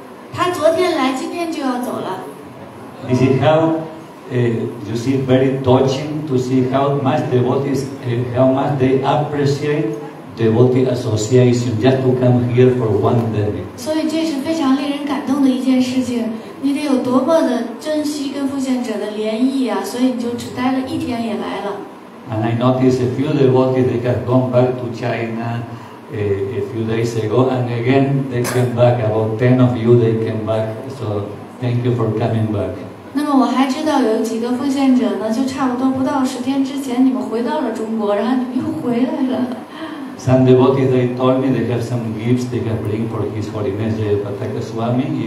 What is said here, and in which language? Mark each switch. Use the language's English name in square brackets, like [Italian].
[Chinese] 他昨天来，今天就要走了。 [English] This is how, you see, very touching to see how much devotees, how much they appreciate devotee association just to come here for one day. [Chinese] 所以这是非常令人感动的一件事情。你得有多么的珍惜跟奉献者的联谊啊！所以你就只待了一天也来了。 [English] And I noticed a few devotees they have gone back to China. A few days ago, and again they came back. About 10 of you, they came back. So thank you for coming back. [Chinese] 那么我还知道有几个奉献者呢，就差不多不到十天之前，你们回到了中国，然后你们又回来了。 [English] Some devotees they told me they have some gifts they can bring for His Holiness the Pataka Swami.